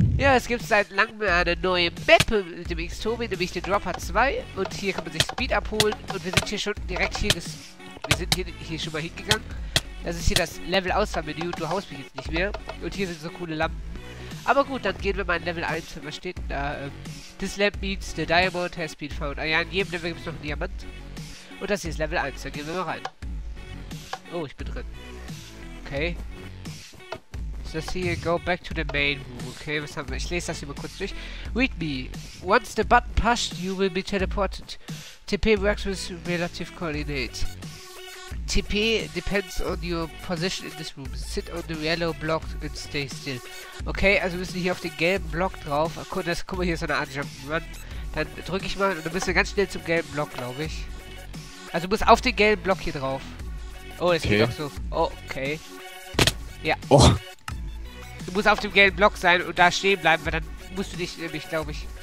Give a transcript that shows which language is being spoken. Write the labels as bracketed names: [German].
[German] Ja, es gibt seit langem eine neue Map mit dem X-Tobi, nämlich The Dropper 2. Und hier kann man sich Speed abholen. Und wir sind hier schon direkt hier. Wir sind hier schon mal hingegangen. Das ist hier das Level-Auswahl-Menü. Du haust mich jetzt nicht mehr. Und hier sind so coole Lampen. Aber gut, dann gehen wir mal in Level 1. Was steht denn da? [English] This Lamp meets the Diamond has been found. [German] Ah ja, in jedem Level gibt es noch einen Diamant. Und das hier ist Level 1. Dann gehen wir mal rein. Oh, ich bin drin. Okay. So, das hier, [English] go back to the main room. [German] Okay, was haben wir? Ich lese das hier mal kurz durch. [English] Read me. Once the button pushed, you will be teleported. TP works with relative coordinates. TP depends on your position in this room. Sit on the yellow block and stay still. [German] Okay, also müssen wir hier auf den gelben Block drauf. Ach, guck mal, hier ist so eine Art Jump-Run. Dann drücke ich mal und dann müssen wir ganz schnell zum gelben Block, glaube ich. Also muss auf den gelben Block hier drauf. Oh, es geht auch so. Okay. Ja. Oh. Du musst auf dem gelben Block sein und da stehen bleiben, weil dann musst du dich nämlich, glaube ich.